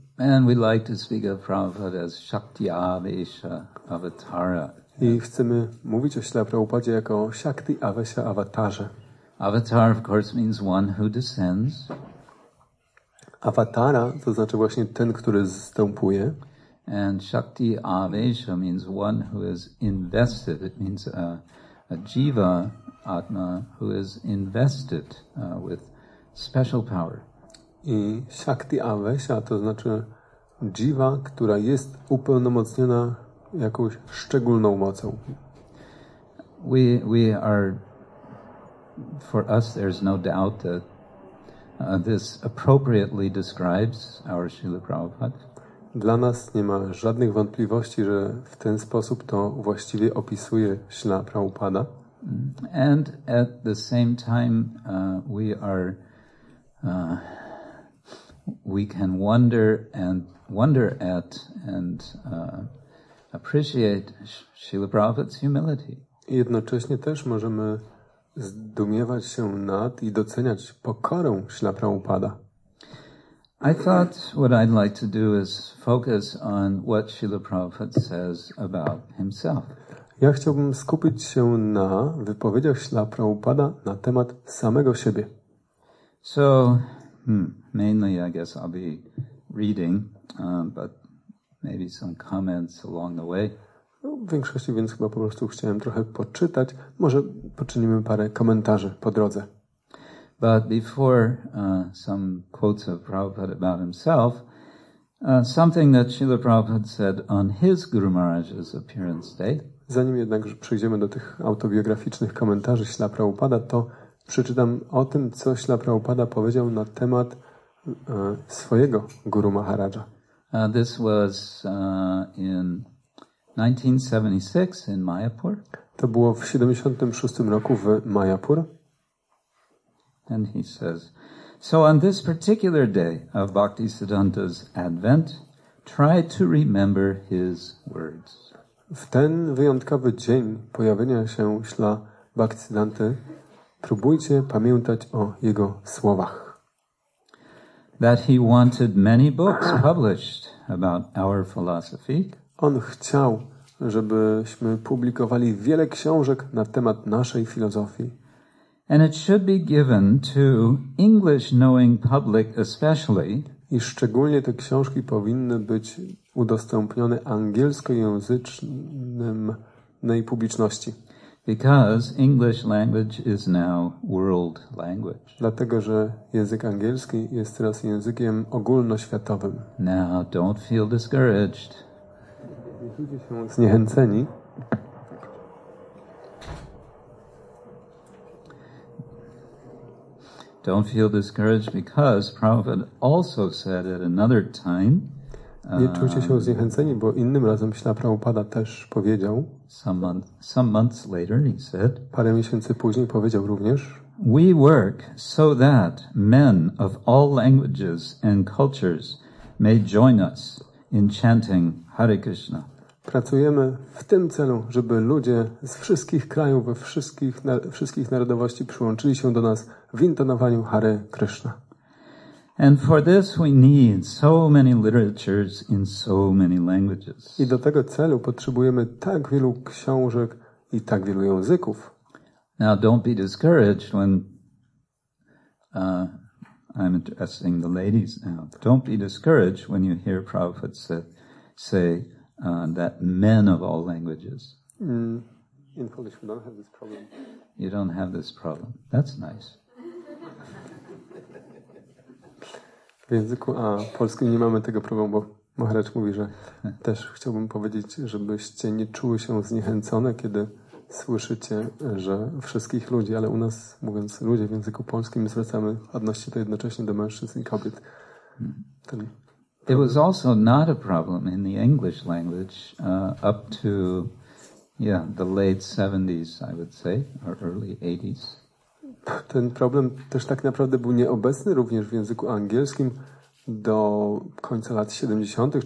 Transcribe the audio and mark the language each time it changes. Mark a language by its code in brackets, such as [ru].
[en] And we like to speak of Prabhupada as Shakti-Avesha Avatara. [pl] I chcemy mówić o Śrīla Prabhupādzie jako Shakti-Avesha Avatarze. [en] Avatar, of course, means one who descends. [pl] Avatara to znaczy właśnie ten, który zstępuje. [en] And Shakti Avesha means one who is invested. It means a jiva atma who is invested with special power. [pl] I Shakti Avesha to znaczy jiva, która jest upełnomocniona jakąś szczególną mocą. [en] We are. For us, there's no doubt that this appropriately describes our Śrīla Prabhupāda. [pl] Dla nas nie ma żadnych wątpliwości, że w ten sposób to właściwie opisuje Śrīla Prabhupāda. [en] And at the same time, we can wonder at and appreciate Śrīla Prabhupāda's humility. [pl] I jednocześnie też możemy zdumiewać się nad i doceniać pokorę Śrīla Prabhupāda. [en] I thought what I'd like to do is focus on what Śrīla Prabhupāda says about himself. [pl] Ja chciałbym skupić się na wypowiedziach Śrīla Prabhupāda na temat samego siebie. [en] So, mainly I guess I'll be reading, but maybe some comments along the way. [pl] No, w większości więc chyba po prostu chciałem trochę poczytać. Może poczynimy parę komentarzy po drodze. [en] But before some quotes of Prabhupada about himself, something that Śrīla Prabhupada said on his Guru Maharaj's appearance day. [pl] Zanim jednak przejdziemy do tych autobiograficznych komentarzy Śrīla Prabhupada, to przeczytam o tym, co Śrīla Prabhupada powiedział na temat swojego Guru Maharaja. [en] This was in 1976 in Mayapur. [pl] To było w 76 roku w Mayapur. [en] And he says, so on this particular day of Bhaktisiddhanta's advent, try to remember his words. [pl] W ten wyjątkowy dzień pojawienia się Śla Bhaktisiddhanty próbujcie pamiętać o jego słowach. [en] That he wanted many books published about our philosophy. [pl] On chciał, żebyśmy publikowali wiele książek na temat naszej filozofii. [en] And it should be given to English-knowing public especially. [pl] I szczególnie te książki powinny być udostępnione angielskojęzycznej publiczności. [en] Because English language is now world language. [pl] Dlatego, że język angielski jest teraz językiem ogólnoświatowym. [en] Now don't feel discouraged. [pl] Zniechęceni. [en] Don't feel discouraged because Prabhupada also said at another time. [pl] Nie czujcie się zniechęceni, bo innym razem Śla Prabhupada też powiedział. [en] Some months later he said. [pl] Parę miesięcy później powiedział również. [en] We work so that men of all languages and cultures may join us in chanting Hare Krishna. [pl] Pracujemy w tym celu, żeby ludzie z wszystkich krajów, we wszystkich narodowości przyłączyli się do nas w intonowaniu Hare Krishna. [en] And for this we need so many literatures in so many languages. [pl] I do tego celu potrzebujemy tak wielu książek i tak wielu języków. [en] Now don't be discouraged when I'm addressing the ladies now. Don't be discouraged when you hear Prabhupada say that men of all languages. In Polish we don't have this problem. You don't have this problem. That's nice. [pl] W języku a polskim nie mamy tego problemu, bo Maharaj mówi, że też chciałbym powiedzieć, żebyście nie czuły się zniechęcone, kiedy słyszycie, że wszystkich ludzi, ale u nas, mówiąc ludzie w języku polskim, zwracamy odnośnie to jednocześnie do mężczyzn i kobiet. [en] It was also not a problem in the English language up to the late 70s, I would say, or early 80s. [pl] Ten problem też tak naprawdę był nieobecny również w języku angielskim do końca lat 70.